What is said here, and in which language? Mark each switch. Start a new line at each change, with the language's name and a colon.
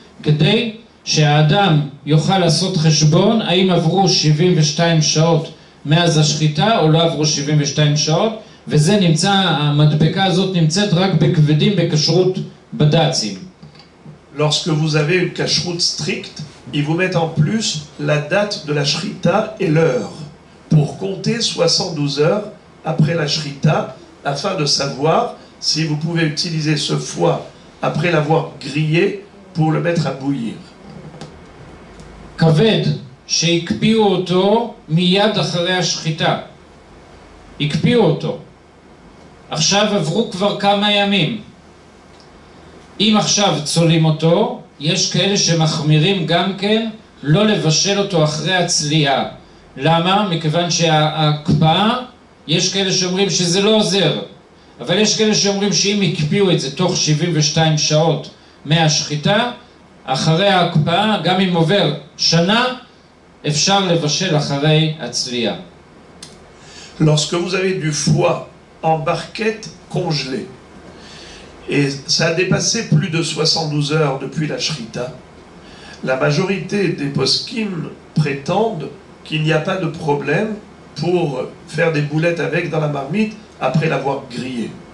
Hebrew: Kedei, shadam yochal asot cheshbon, haim avru 72 shaot מאז השחיטה, או לא עברו 72 שעות, וזה נמצא, המדבקה הזאת נמצאת רק בכבדים, בכשרות בדצים.
French: lorsque vous avez une kashrout stricte, ils vous mettent en plus la date de la shrita et l'heure, pour compter 72 heures après la shrita, afin de savoir si vous pouvez utiliser ce foie après l'avoir grillé pour le mettre à bouillir.
Hebrew: Kaved שהקפיאו אותו מיד אחרי השחיטה. הקפיאו אותו. עכשיו עברו כבר כמה ימים. אם עכשיו צולים אותו, יש כאלה שמחמירים גם כן לא לבשל אותו אחרי הצליעה. למה? מכיוון שההקפאה, יש כאלה שאומרים שזה לא עוזר. אבל יש כאלה שאומרים שאם הקפיאו את זה תוך 72 שעות מהשחיטה, אחרי ההקפאה, גם אם עובר שנה, אפשר לבשל אחרי הצליעה.
French: Lorsque vous avez du foie en barquette congelé, et ça a dépassé plus de 72 heures depuis la shrita, la majorité des poskim prétendent qu'il n'y a pas de problème pour faire des boulettes avec dans la marmite après l'avoir grillé.